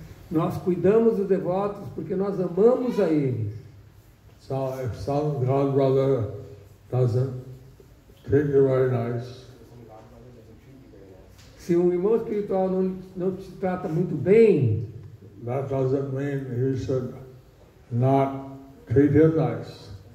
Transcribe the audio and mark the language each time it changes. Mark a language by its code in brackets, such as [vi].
[pt] Nós cuidamos dos devotos porque nós amamos a eles. [en] So if some god brother doesn't treat you very nice, [pt] se um irmão espiritual não te trata muito bem, [en] that doesn't mean you should not treat him nice.